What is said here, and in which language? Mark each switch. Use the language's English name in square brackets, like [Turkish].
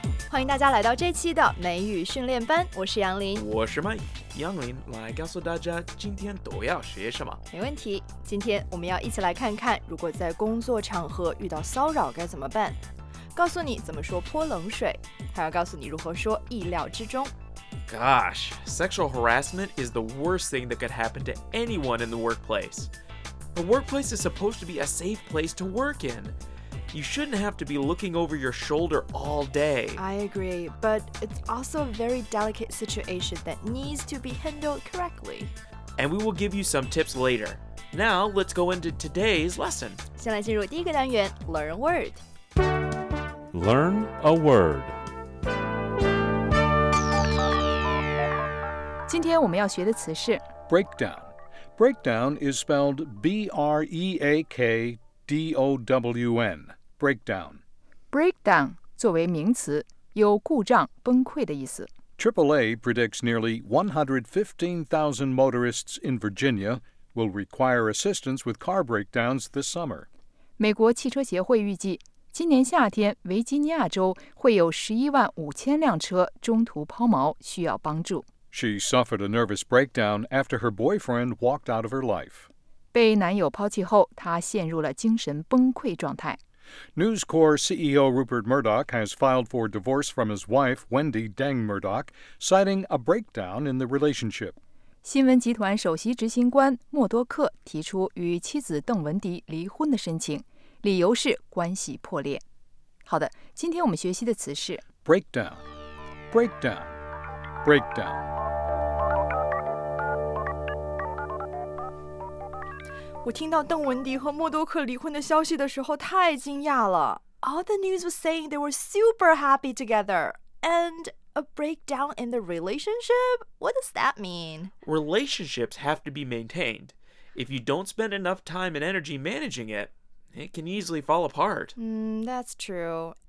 [Chinese] 欢迎大家来到这期的美语训练班，我是杨林，我是麦。杨林来告诉大家今天都要学什么。没问题，今天我们要一起来看看，如果在工作场合遇到骚扰该怎么办，告诉你怎么说泼冷水，还要告诉你如何说意料之中。 [English] Gosh, sexual harassment is the worst thing that could happen to anyone in the workplace. A workplace is supposed to be a safe place to work in. You shouldn't have to be looking over your shoulder all day. I agree, but it's also a very delicate situation that needs to be handled correctly. And we will give you some tips later. Now, let's go into today's lesson. [Chinese] 先来进入第一个单元 [English] Learn a word. Learn a word. [Chinese] 今天我们要学的词是 [English] breakdown. Breakdown is spelled B-R-E-A-K-D-O-W-N. Breakdown. [Chinese] Breakdown 作为名词，有故障、崩溃的意思。 [English] AAA predicts nearly 115,000 motorists in Virginia will require assistance with car breakdowns this summer. [Chinese] 美国汽车协会预计，今年夏天维吉尼亚州会有115,000辆车中途抛锚，需要帮助。 [English] She suffered a nervous breakdown after her boyfriend walked out of her life. [Chinese] 被男友抛弃后，她陷入了精神崩溃状态。 [English] News Corp CEO Rupert Murdoch has filed for divorce from his wife, Wendy Deng Murdoch, citing a breakdown in the relationship. [Chinese] 新闻集团首席执行官默多克提出与妻子邓文迪离婚的申请，理由是关系破裂。好的，今天我们学习的词是 [English] breakdown, breakdown. Breakdown. [Chinese] 我听到邓文迪和默多克离婚的消息的时候太惊讶了。 [English] All the news was saying they were super happy together. And a breakdown in the relationship? What does that mean? Relationships have to be maintained. If you don't spend enough time and energy managing it, it can easily fall apart. That's true.